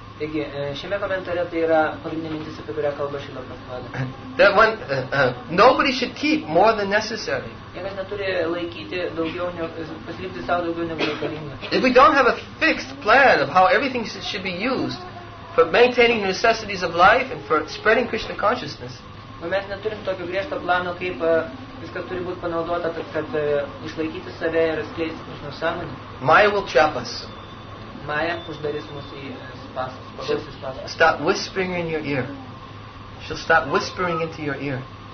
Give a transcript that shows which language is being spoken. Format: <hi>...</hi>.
<lt>Taigi, šiame komentare tai yra pagrindinė mintis, apie kurią kalba Srila Prabhupada.</lt> <en>That one, nobody should keep more than necessary.</en> <lt>Niekas neturi laikyti daugiau, paslėpti savo daugiau negu reikalinga.</lt> <en>If we don't have a fixed plan of how everything should be used for maintaining the necessities of life and for spreading Krishna consciousness.</en> <lt>Mes neturim tokio griežto plano, kaip viskas turi būti panaudota, kad išlaikyti save ir skleisti Krishna sąmonę.</lt> <en>Maya will trap us.</en> <lt>Maya uždarys mus į spąstus.</lt> <en>Stop whispering in your ear. She'll stop whispering into your ear.</en>